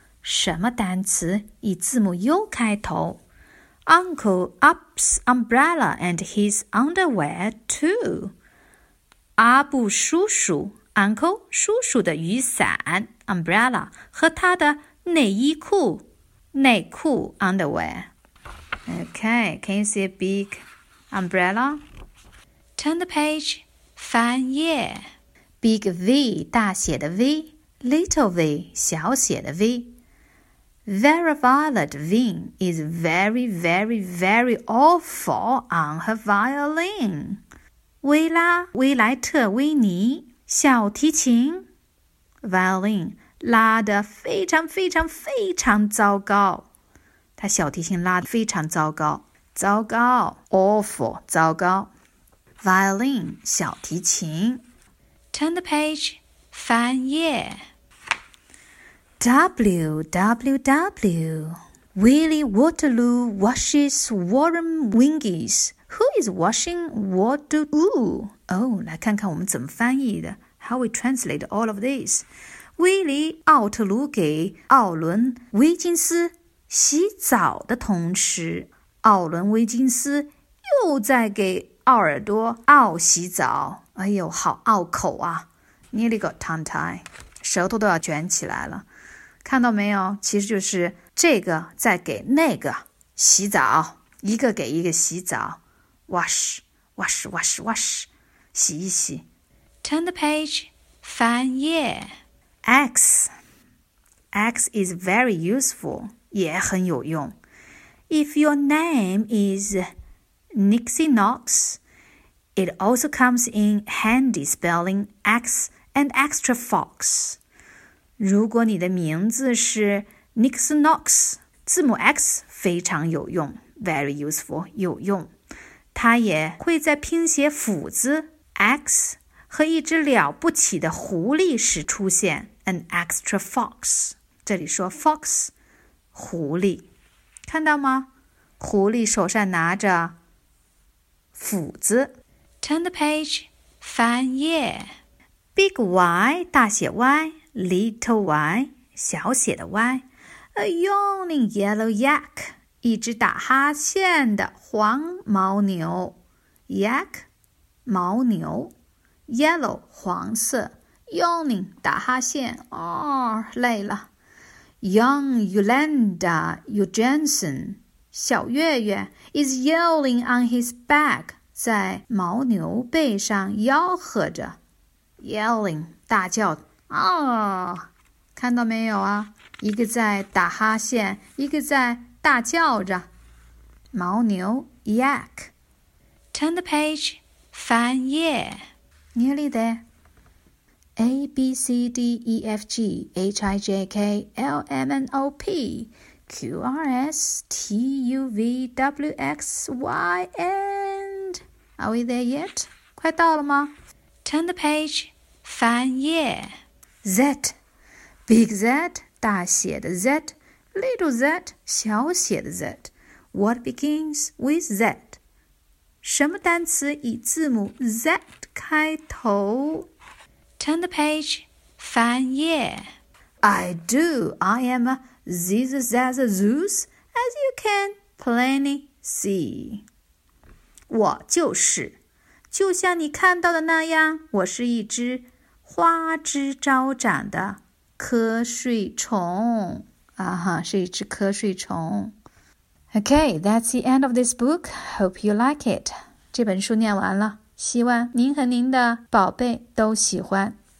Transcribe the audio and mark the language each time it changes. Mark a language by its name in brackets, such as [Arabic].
[Chinese] 什么单词以字母 U 开头？ [English] Uncle Up's umbrella and his underwear too. [Chinese] 阿布叔叔 Uncle 叔叔的雨伞 umbrella 和他的内衣裤内裤 underwear. [English] Okay, can you see a big umbrella? Turn the page, [Chinese] 翻页 [English] Big V [Chinese] 大写的 [English] V, little V [Chinese] 小写的 [English] V. Vera Violet Ving is very, very, very awful on her violin. [Chinese] 薇拉·薇莱特·威尼小提琴 violin 拉得非常非常非常糟糕。她小提琴拉得非常糟糕，糟糕 ，awful， 糟糕。 violin 小提琴。 [English] Turn the page， [Chinese] 翻页。 [English] www. Willie Waterloo washes warm wingies. Who is washing Waterloo? Oh, [Chinese] 来看看我们怎么翻译的。 [English] How we translate all of this? [Chinese] Willie 奥特鲁给奥伦威金斯洗澡的同时，奥伦威金斯又在给奥尔多奥洗澡。哎呦，好拗口啊 ！ [English] Nearly got tongue tied， [Chinese] 舌头都要卷起来了。看到没有，其实就是这个在给那个洗澡，一个给一个洗澡 [English] wash, wash, wash, wash, [Chinese] 洗一洗。 [English] Turn the page, [Chinese] 翻页。 [English] X is very useful, [Chinese] 也很有用。 [English] If your name is Nixie Knox, it also comes in handy spelling X and extra fox. [Chinese] 如果你的名字是 Nixon Knox, 字母 X 非常有用 , [English] very useful, [Chinese] 有用。它也会在拼写斧子 X 和一只了不起的狐狸时出现 , [English] an extra fox。 [Chinese] 这里说 fox, 狐狸。看到吗？狐狸手上拿着斧子。 [English] Turn the page, [Chinese] 翻页。 [English] Big Y, [Chinese] 大写 [English] Y。 Little y, [Chinese] 小写的 [English] y, a yawning yellow yak, [Chinese] 一只打哈欠的黄牦牛 [English] ,yak, [Chinese] 牦牛 ,yellow, 黄色 ,yawning, 打哈欠哦累了 ,young Yolanda Eugenson, 小月月 [English] is yelling on his back, [Chinese] 在牦牛背上吆喝着 ,yelling, 大叫哦，看到没有啊？一个在打哈欠，一个在大叫着。牦牛 ，yak。 [English] Turn the page， [Chinese] 翻页。 [English] Nearly there。 A B C D E F G H I J K L M N O P Q R S T U V W X Y and Are we there yet？ [Chinese] 快到了吗 [English] ？Turn the page， [Chinese] 翻页。 [English] Z, big Z, [Chinese] 大写的 [English] Z, little Z, [Chinese] 小写的 [English] Z. What begins with Z? [Chinese] 什么单词以字母 Z 开头？ [English] Turn the page, [Chinese] 翻页。 [English] I do, I am a Ziz Zaz Zeus, as you can plainly see. [Chinese] 我就是，就像你看到的那样，我是一只花枝招展的瞌睡虫啊哈，是一只瞌睡虫。 [English] Okay, that's the end of this book. Hope you like it. [Chinese] 这本书念完了，希望您和您的宝贝都喜欢。